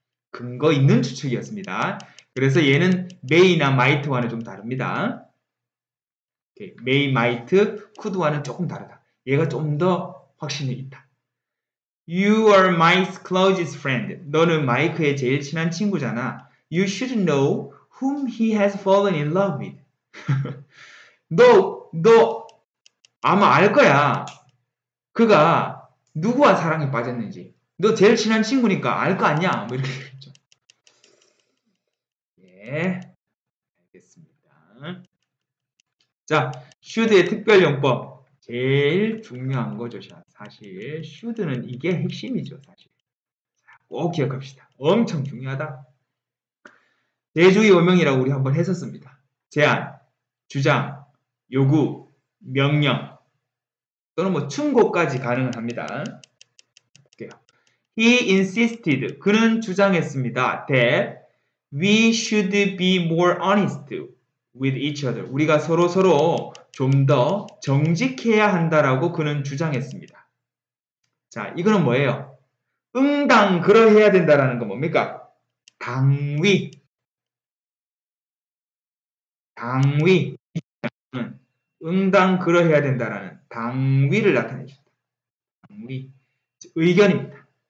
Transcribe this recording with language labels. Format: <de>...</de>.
<ko>근거 있는 추측이었습니다. 그래서 얘는 메이나 마이트와는 좀 다릅니다. 메이 마이트 쿠드와는 조금 다르다. 얘가 좀더 확신이 있다.</ko> <en>You are Mike's closest friend.</en> <ko>너는 마이크의 제일 친한 친구잖아.</ko> <en>You should know whom he has fallen in love with.</en> <ko>너 아마 알 거야. 그가 누구와 사랑에 빠졌는지. 너 제일 친한 친구니까 알거 아니야. 뭐 이렇게 했죠. 예, 알겠습니다. 자, should의 특별용법. 제일 중요한 거죠, 사실. should는 이게 핵심이죠, 사실. 꼭 기억합시다. 엄청 중요하다. 대주의 오명이라고 우리 한번 했었습니다. 제안, 주장, 요구, 명령, 또는 뭐 충고까지 가능합니다.</ko> <en>볼게요. He insisted.</en> <ko>그는 주장했습니다.</ko> <en>That we should be more honest with each other.</en> <ko>우리가 서로 좀더 정직해야 한다라고 그는 주장했습니다. 자, 이거는 뭐예요? 응당 그러해야 된다라는 건 뭡니까? 당위. 당위. 응당 그러해야 된다라는 당위를 나타내십니다. 당위. 의견입니다.</ko>